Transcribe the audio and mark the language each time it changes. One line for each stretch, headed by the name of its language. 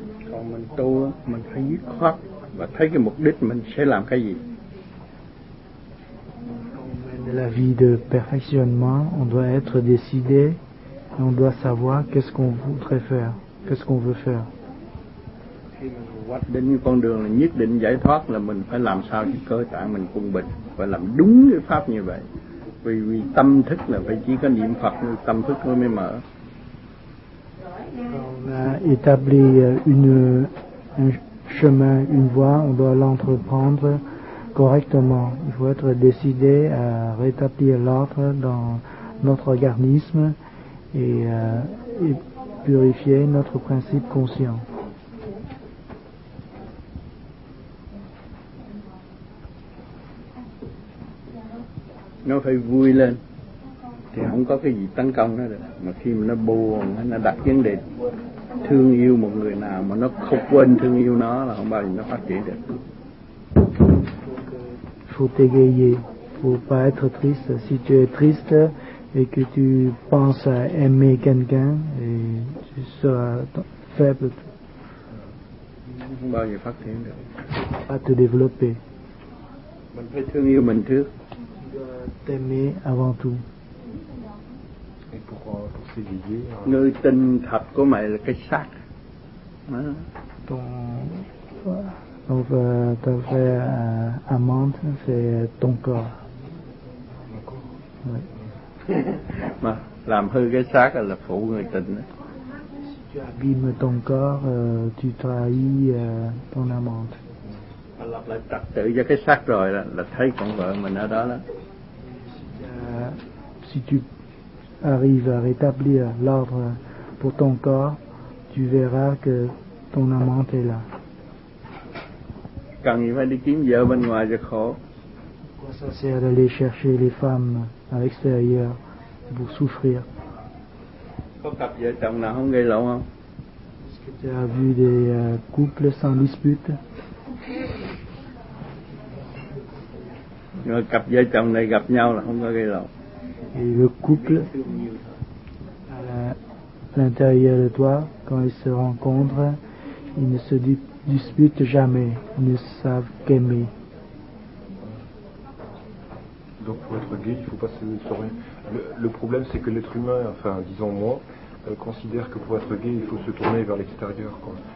Vietnamese: Còn mình tu, mình phải dứt khoát và thấy cái mục đích mình sẽ làm cái gì.
French: De la vie de perfectionnement, on doit être décidé et on doit savoir qu'est-ce qu'on voudrait faire, qu'est-ce qu'on veut faire.
Vietnamese: Hoạch định con đường là nhất định giải thoát, là mình phải làm sao cho cơ tạng mình quân bình, phải làm đúng cái pháp như vậy. Vì tâm thức là phải chỉ có niệm Phật, tâm thức nó mới mở.
French: On a établi un chemin, une voie, on doit l'entreprendre correctement. Il faut être décidé à rétablir l'ordre dans notre organisme et purifier notre principe conscient.
Vietnamese: Nó phải vui lên thì không có cái gì tấn công nó được, mà khi mà nó buồn, nó đặt vấn đề thương yêu một người nào mà nó không quên thương yêu nó là không bao giờ nó phát triển được.
French: Faut égayer, faut pas être triste. Si tu es triste et que tu penses à aimer quelqu'un, et tu seras faible.
Vietnamese: Không bao giờ phát triển được.
French: Pas te développer.
Vietnamese: Mình phải thương yêu mình trước.
French: T'aimer avant tout. Et pour s'éveiller.
Vietnamese: Người tình thật của mày là cái xác.
French: Donc ta vraie amante, c'est ton corps. Oui.
Vietnamese: Mà làm hư cái xác là phụ người tình.
French: Si tu abîmes ton corps, tu trahis ton amante.
Vietnamese: Mà lập lại trật tự cho cái xác rồi là thấy con vợ mình ở đó đó.
French: Si tu arrives à rétablir l'ordre pour ton corps, tu verras que ton amante est là.
Vietnamese: Cần gì phải đi kiếm vợ bên ngoài cho khổ.
French: Quoi ça sert d'aller chercher les femmes à l'extérieur pour souffrir?
Vietnamese: Có cặp vợ chồng nào không gây lộn không?
French: Est-ce que tu as vu des couples sans dispute?
Vietnamese: Nhưng cặp vợ chồng này gặp nhau là không có gây lộn.
French: Et le couple à l'intérieur de toi, quand ils se rencontrent, ils ne se disputent jamais, ils ne savent qu'aimer. Donc pour être gay, il faut pas se rien. Le problème, c'est que l'être humain, enfin disons moi, considère que pour être gay, il faut se tourner vers l'extérieur, quoi.